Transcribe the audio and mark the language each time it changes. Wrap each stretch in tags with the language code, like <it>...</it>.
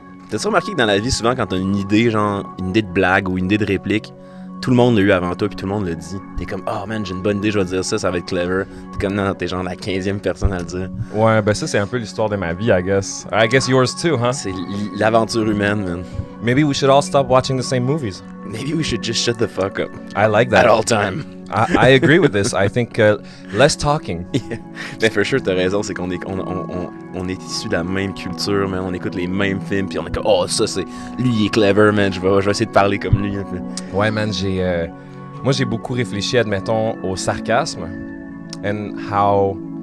<fr>T'as-tu remarqué que dans la vie, souvent, quand t'as une idée, genre, une idée de blague ou une idée de réplique, tout le monde l'a eu avant toi, puis tout le monde le dit. T'es comme, oh, man, j'ai une bonne idée, je vais dire ça, ça va être clever. T'es comme, non, t'es genre la 15e personne à le dire. Ouais, ben ça, c'est un peu l'histoire de ma vie,</fr> <en>I guess. I guess yours too, huh?</en> <fr>C'est l'aventure humaine, man.</fr> <en>Maybe we should all stop watching the same movies. Maybe we should just shut the fuck up. I like that. At all time. I agree with this. I think less talking. Yeah.</en> <fr>Mais</fr> <en>for sure,</en> <fr>t'as raison. C'est qu'on est issus de la même culture, man. On écoute les mêmes films. Puis on est comme, oh, ça, c'est... Lui, il est clever, man. Je vais essayer de parler comme lui. Ouais, man, j'ai... Moi, j'ai beaucoup réfléchi, admettons, au sarcasme.</fr> <en>And how...</en>